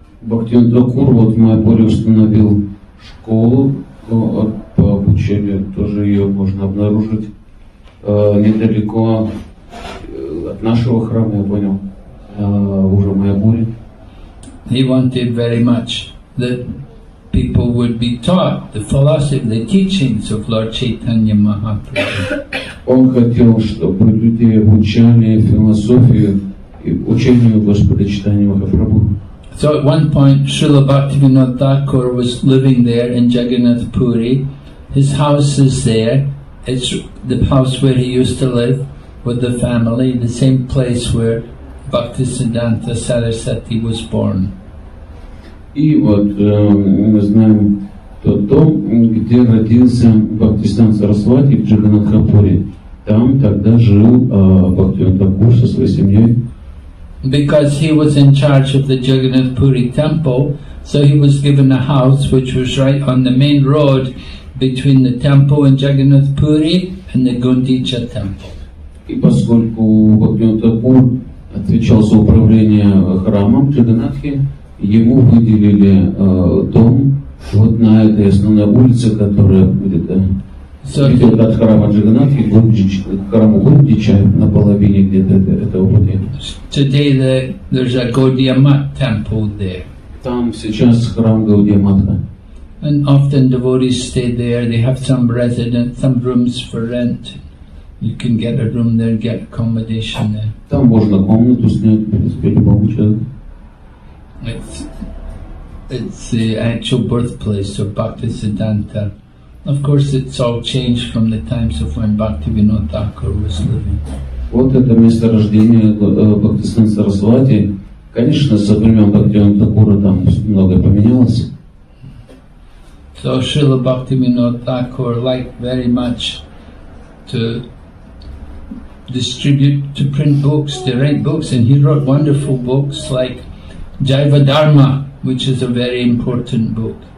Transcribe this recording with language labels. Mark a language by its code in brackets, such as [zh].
[ru] Bhaktivinoda Thakur вот в Майпуре установил школу по обучению, тоже ее можно обнаружить недалеко от нашего храма, я понял, уже в Майпуре. [en] He wanted very much that people would be taught the philosophy, the teachings of Lord Chaitanya Mahaprabhu. [ru] Он хотел, чтобы люди обучали философию и учению Господа Чайтанья Махапрабху. [en] So at one point, Srila Bhaktivinoda Thakur was living there in Jagannath Puri. His house is there. It's the house where he used to live with the family, the same place where Bhaktisiddhanta Sarasati was born. [ru] И вот мы знаем тот дом, где родился Бхактисиддханта Сарасвати в Джаганатхапуре. Там тогда жил Бхактивинода Такур со своей семьей. [en] Because he was in charge of the Jagannath Puri temple, so he was given a house which was right on the main road between the temple in Jagannath Puri and the Gundicha temple. [ru] И поскольку Бхактивинода Такур отвечал за управление храмом Джаганатхи, ему выделили дом вот на этой основной улице, которая будет идет от храма Джаганатхи к храму Гундича на половине где-то этого пути. [en] Today there's a Gaudiya Math temple there. [ru] Там сейчас храм Гаудия Матха. [en] And often devotees stay there. They have some residence, some rooms for rent. You can get a room there, get accommodation there. [ru] Там можно комнату снять, в принципе, любому человеку. [en] It's the actual birthplace of Bhaktisiddhanta. Of course, it's all changed from the times of when Bhaktivinoda Thakur was living. [ru] Вот это место рождения Бхактисиддханты Сарасвати. Конечно, со времен Бхактивинода Такура там многое поменялось. [en] So Srila Bhaktivinoda Thakur liked very much to distribute, to print books, to write books, and he wrote wonderful books like Jaiva Dharma, which is a very important book.